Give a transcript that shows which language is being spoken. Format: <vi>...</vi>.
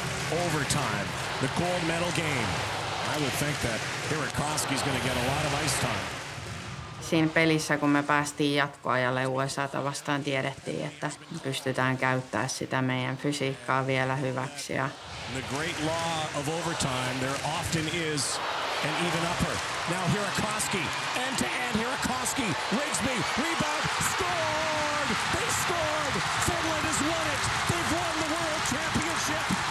<en>Overtime, the gold medal game. I would think that Hiirikoski is going to get a lot of ice time.</en> <fi>Siinä pelissä, kun me päästiin jatkoajalle USA:ta vastaan, tiedettiin, että pystytään käyttämään sitä meidän fysiikkaa vielä hyväksi.</fi> <en>The great law of overtime, there often is an even upper. Now Hiirikoski, end to end, Hiirikoski, Rigsby, rebound, scored! They scored! Finland has won it! They've won the world championship!</en>